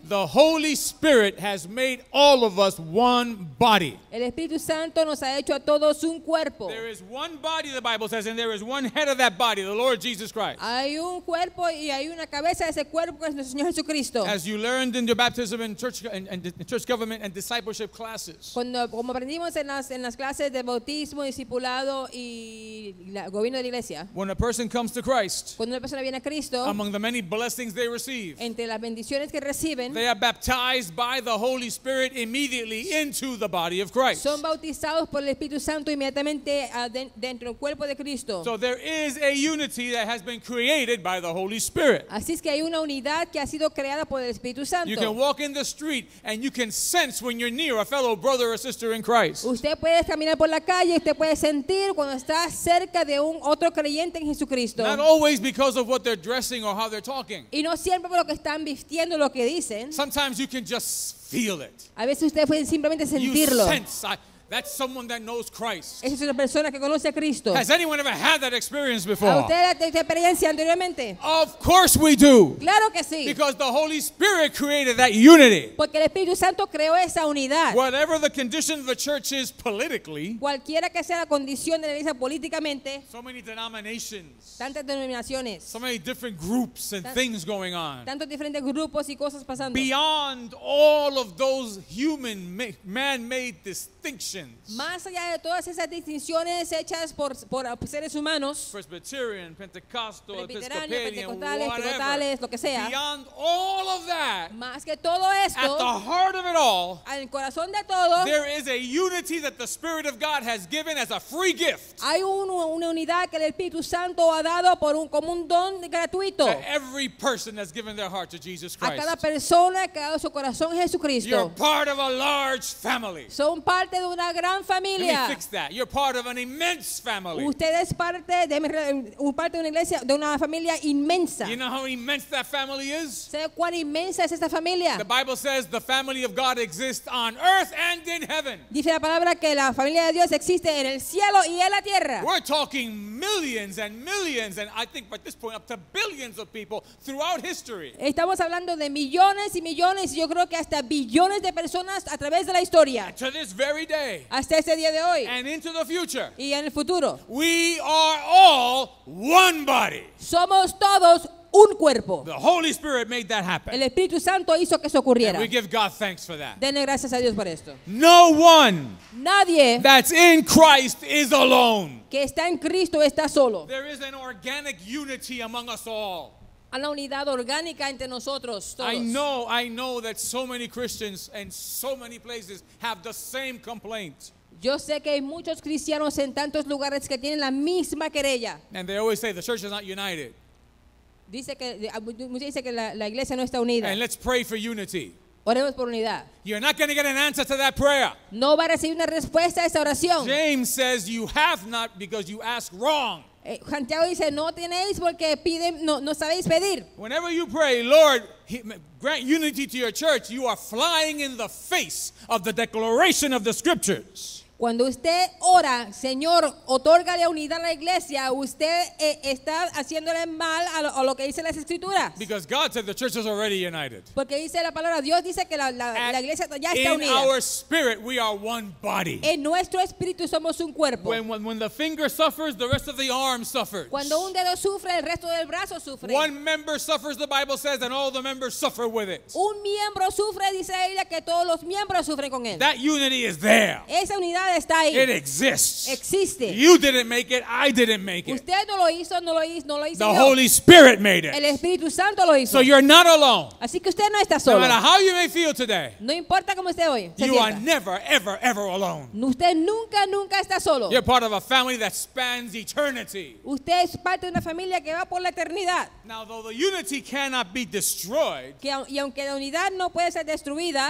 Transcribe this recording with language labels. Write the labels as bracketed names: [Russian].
[English] The Holy Spirit has made all of us one body. [Spanish] El Espíritu Santo nos ha hecho a todos un cuerpo. [English] There is one body, the Bible says, and there is one head of that body, the Lord Jesus Christ. [Spanish] Hay un cuerpo y hay una cabeza de ese cuerpo que es nuestro Señor Jesucristo. [English] As you learned in your baptism and church government and discipleship classes. [Spanish] Cuando como aprendimos en las clases de bautismo y [English] when a person comes to Christ, [Spanish] cuando una persona viene a Cristo, [English] among the many blessings they receive, [Spanish] entre las bendiciones que reciben, [English] they are baptized by the Holy Spirit immediately into the body of Christ. [Spanish] Son bautizados por el Espíritu Santo inmediatamente dentro del cuerpo de Cristo. [English] So there is a unity that has been created by the Holy Spirit. [Spanish] Así es que hay una unidad que ha sido creada por el Espíritu Santo. [English] You can walk in the street and you can sense when you're near a fellow brother or sister in Christ. [Spanish] Usted puede caminar por la calle y usted puede sentir cuando está cerca de un otro creyente en Jesucristo. [English] Not always because of what they're dressing or how they're talking. [Spanish] Y no siempre por lo que están vistiendo, lo que dicen. [English] Sometimes you can just feel it. [Spanish] A veces usted puede simplemente sentirlo. [English] You sense that's someone that knows Christ. [Spanish] Es una persona que conoce a Cristo. [English] Has anyone ever had that experience before? [Spanish] ¿A usted ha tenido esa experiencia anteriormente? [English] Of course we do. [Spanish] Claro que sí. [English] Because the Holy Spirit created that unity. [Spanish] Porque el Espíritu Santo creó esa unidad. [English] Whatever the condition of the church is politically. [Spanish] Cualquiera que sea la condición de la iglesia políticamente. [English] So many denominations. [Spanish] Tantas denominaciones. [English] So many different groups and things going on. [Spanish] Tantos diferentes grupos y cosas pasando. [English] Beyond all of those human man-made distinctions. [Spanish] Más allá de todas esas distinciones hechas por seres humanos, [English] Presbyterian, Pentecostal, [Spanish] Episcopalian, Pentecostales, lo que sea, [English] beyond all of that, [Spanish] más que todo esto, [English] at the heart of it all, [Spanish] al corazón de todo, [English] there is a unity that the Spirit of God has given as a free gift. [Spanish] Hay una unidad que el Espíritu Santo ha dado por un como un don gratuito. [English] To every person that's given their heart to Jesus Christ. [Spanish] A cada persona que ha dado su corazón a Jesucristo. [English] You're part of a large family. [Spanish] Son parte de una gran familia. [English] Let me fix that. You're part of an immense family. [Spanish] Usted es parte de una iglesia, de una familia inmensa. [English] You know how immense that family is? [Spanish] ¿Sabe cuán inmensa es esta familia? [English] The Bible says the family of God exists on earth and in heaven. [Spanish] Dice la palabra que la familia de Dios existe en el cielo y en la tierra. [English] We're talking millions and millions and I think by this point up to billions of people throughout history. [Spanish] Estamos hablando de millones y millones y yo creo que hasta billones de personas a través de la historia. [English] To this very day. [Spanish] Hasta este día de hoy. [English] And into the future. [Spanish] Y en el futuro. [English] We are all one body. [Spanish] Somos todos un cuerpo. [English] The Holy Spirit made that happen. [Spanish] El Espíritu Santo hizo que eso ocurriera. [English] And we give God thanks for that. [Spanish] Denle gracias a Dios por esto. [English] No one. [Spanish] Nadie. [English] That's in Christ is alone. [Spanish] Que está en Cristo está solo. [English] There is an organic unity among us all. [Spanish] A la unidad orgánica entre nosotros todos. [English] I know that so many Christians and so many places have the same complaint. [Spanish] Yo sé que hay muchos cristianos en tantos lugares que tienen la misma querella. [English] And they always say the church is not united. [Spanish] Dice que la iglesia no está unida. [English] And let's pray for unity. [Spanish] Oremos por unidad. [English] You're not going to get an answer to that prayer. [Spanish] No va a recibir una respuesta a esa oración. [English] James says you have not because you ask wrong. [Spanish] Santiago dice no tenéis porque piden no sabéis pedir. [English] Whenever you pray, Lord, grant unity to your church, you are flying in the face of the declaration of the scriptures. [Spanish] Cuando usted ora, Señor, otorga la unidad a la iglesia, usted está haciéndole mal a lo que dice las escrituras. [English] Because God said the church is already united. [Spanish] Porque dice la palabra, Dios dice que la iglesia ya está unida. [English] In our spirit, we are one body. [Spanish] En nuestro espíritu somos un cuerpo. [English] When the finger suffers, the rest of the arm suffers. [Spanish] Cuando un dedo sufre, el resto del brazo sufre. [English] One member suffers, the Bible says, and all the members suffer with it. [Spanish] Un miembro sufre, dice ella, que todos los miembros sufren con él. [English] That unity is there. [Spanish] Esa unidad verdad está ahí. [English] It exists. [Spanish] Existe. [English] You didn't make it. I didn't make it. [Spanish] Usted no lo hizo, no lo hizo, no lo hizo. [English] The Holy Spirit made it. [Spanish] El Espíritu Santo lo hizo. [English] So you're not alone. [Spanish] Así que usted no está solo. [English] No matter how you may feel today. [Spanish] No importa cómo esté hoy. [English] You are never, ever, ever alone. [Spanish] Usted nunca, nunca está solo. [English] You're part of a family that spans eternity. [Spanish] Usted es parte de una familia que va por la eternidad. [English] Now, though the unity cannot be destroyed. [Spanish] Y aunque la unidad no puede ser destruida.